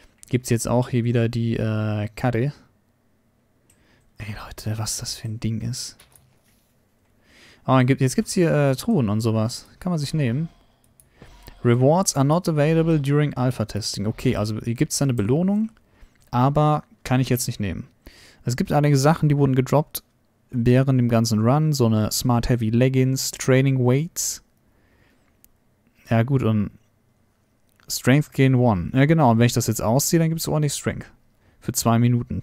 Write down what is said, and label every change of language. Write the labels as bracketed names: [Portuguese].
[German] Gibt's jetzt auch hier wieder die Karre. Ey, Leute, was das für ein Ding ist. Oh, jetzt gibt's hier Truhen und sowas. Kann man sich nehmen. [English] Rewards are not available during Alpha Testing. [German] Okay, also hier gibt's eine Belohnung, aber kann ich jetzt nicht nehmen. Es gibt einige Sachen, die wurden gedroppt während dem ganzen Run. So eine Smart Heavy Leggings, Training Weights. Ja gut, und Strength Gain 1. Ja genau, und wenn ich das jetzt ausziehe, dann gibt es ordentlich Strength. Für 2 Minuten.